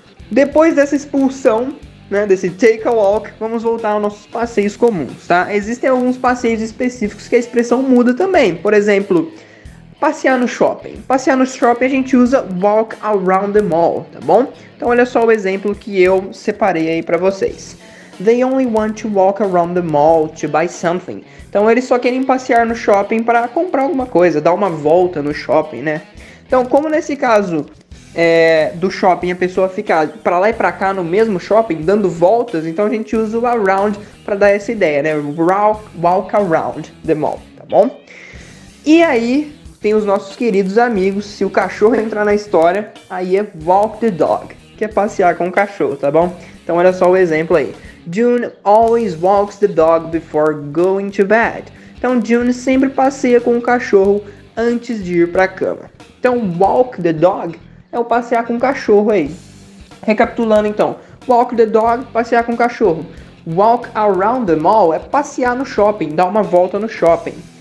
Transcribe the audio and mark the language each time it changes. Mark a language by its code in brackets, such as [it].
[pt] Depois dessa expulsão, né, desse take a walk, vamos voltar aos nossos passeios comuns, tá? Existem alguns passeios específicos que a expressão muda também. Por exemplo, passear no shopping. Passear no shopping a gente usa walk around the mall, tá bom? Então olha só o exemplo que eu separei aí pra vocês. [en] They only want to walk around the mall to buy something. [pt] Então eles só querem passear no shopping para comprar alguma coisa, dar uma volta no shopping, né? Então como nesse caso do shopping a pessoa fica para lá e para cá no mesmo shopping dando voltas, então a gente usa o around para dar essa ideia, né? Walk around the mall, tá bom? E aí tem os nossos queridos amigos, se o cachorro entrar na história, aí é walk the dog, que é passear com o cachorro, tá bom? Então olha só o exemplo aí. [en] June always walks the dog before going to bed. [pt] Então June sempre passeia com o cachorro antes de ir pra cama. Então walk the dog é o passear com o cachorro aí. Recapitulando então, walk the dog, passear com o cachorro. Walk around the mall é passear no shopping, dar uma volta no shopping.